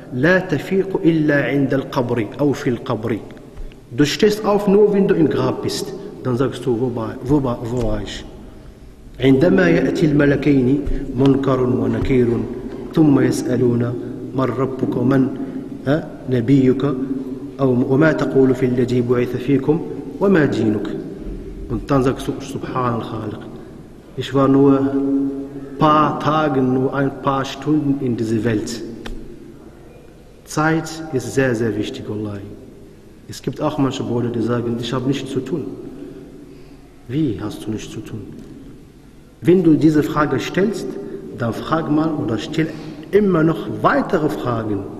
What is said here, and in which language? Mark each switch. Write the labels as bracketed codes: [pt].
[ar] لا تفيق إلا عند القبر, أو في القبر. [de] Du stehst auf, nur wenn du im Grab bist. Dann sagst du, wo war ich? [ar] عندما يأتي الملكين منكر ونكير ثم يسألون من ربك ومن نبيك أو وما تقول في الذي بعث فيكم وما دينك [de] und dann sagst du [ar] سبحان الخالق. [de] Ich war nur ein paar Tage, nur ein paar Stunden in dieser Welt. Zeit ist sehr, sehr wichtig, والله. Es gibt auch manche Brüder, die sagen, ich habe nichts zu tun. Wie hast du nichts zu tun? Wenn du diese Frage stellst, dann frag mal oder stell immer noch weitere Fragen.